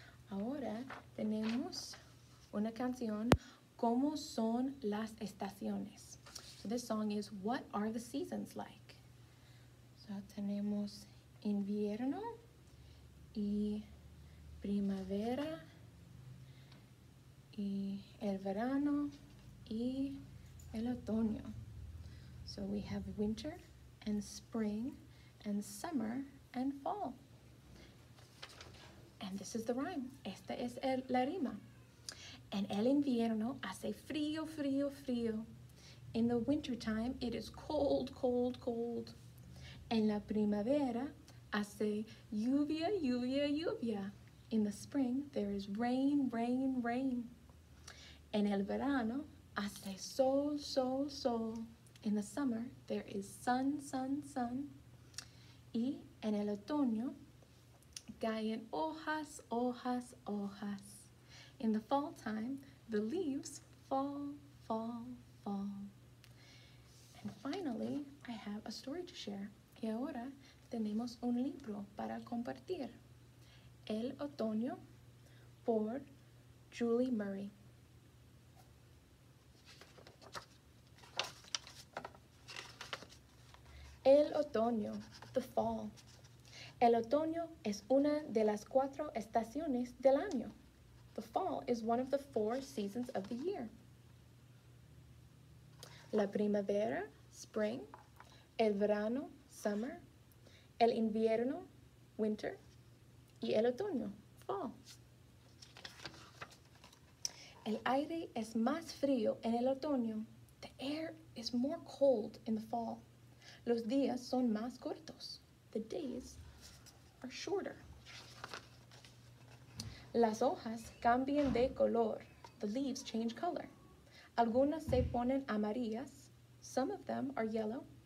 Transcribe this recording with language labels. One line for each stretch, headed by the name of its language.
Spanish: Ahora tenemos una canción, ¿Cómo son las estaciones?
English: So this song is, What are the seasons like?
Spanish: So tenemos invierno y primavera y el verano y el otoño.
English: So we have winter and spring and summer and fall. And this is the rhyme.
Spanish: Esta es la rima. En el invierno hace frío, frío, frío.
English: In the wintertime, it is cold, cold, cold.
Spanish: En la primavera hace lluvia, lluvia,
English: lluvia. In the spring, there is rain, rain, rain.
Spanish: En el verano hace sol, sol,
English: sol. In the summer, there is sun, sun, sun.
Spanish: Y en el otoño caen hojas, hojas, hojas.
English: In the fall time, the leaves fall, fall, fall. And finally, I have a story to share.
Spanish: Y ahora tenemos un libro para compartir. El Otoño, por Julie Murray. El Otoño,
English: the fall.
Spanish: El Otoño es una de las cuatro estaciones del año.
English: The fall is one of the four seasons of the year.
Spanish: La primavera, spring. El verano, summer. El invierno, winter. Y el otoño, fall. El aire es más frío en el otoño.
English: The air is more cold in the fall.
Spanish: Los días son más cortos.
English: The days are shorter.
Spanish: Las hojas cambian de color.
English: The leaves change color.
Spanish: Algunas se ponen amarillas.
English: Some of them are yellow.